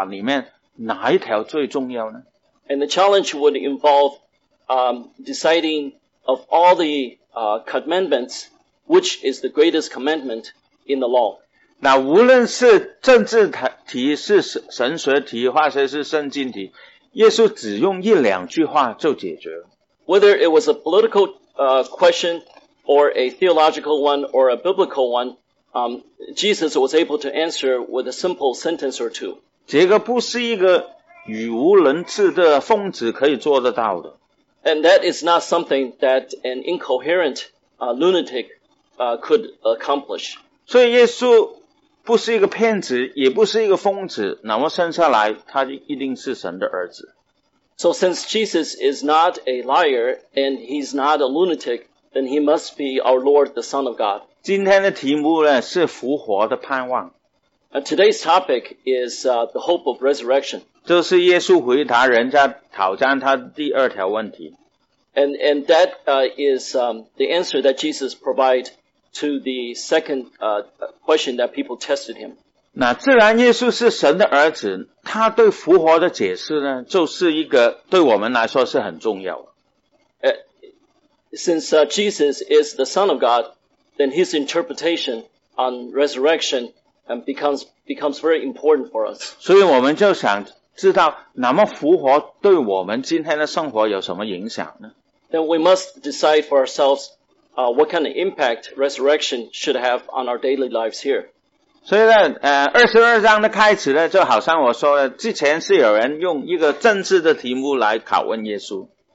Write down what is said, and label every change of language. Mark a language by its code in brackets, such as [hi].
[zh] 就是圣经里面所有的律法里面哪一条最重要呢？ [en] And the challenge would involve deciding of all the commandments, which is the greatest commandment in the law. [zh] 那无论是政治题，是神学题，或者是圣经题， 耶稣只用一两句话就解决。 [en] Whether it was a political question or a theological one or a biblical one, Jesus was able to answer with a simple sentence or two. [zh] 这个不是一个语无伦次的疯子可以做得到的。 [en] And that is not something that an incoherent lunatic could accomplish. [zh] 所以耶稣不是一个骗子，也不是一个疯子，那么生下来他一定是神的儿子。 [en] So since Jesus is not a liar and he's not a lunatic, then he must be our Lord, the Son of God. [zh] 今天的题目呢是复活的盼望。 [en] Today's topic is the hope of resurrection. [zh] 这是耶稣回答人家挑战他第二条问题。 [en] And that is the answer that Jesus provided to the second question that people tested him. [zh] 那既然耶稣是神的儿子，他对复活的解释呢，就是一个对我们来说是很重要的。 [en] Since Jesus is the Son of God, then his interpretation on resurrection becomes very important for us. [zh] 所以我们就想知道，那么复活对我们今天的生活有什么影响呢？ [en] Then we must decide for ourselves what kind of impact resurrection should have on our daily lives here. [zh] 所以呢，22章的开始呢，就好像我说的，之前是有人用一个政治的题目来拷问耶稣。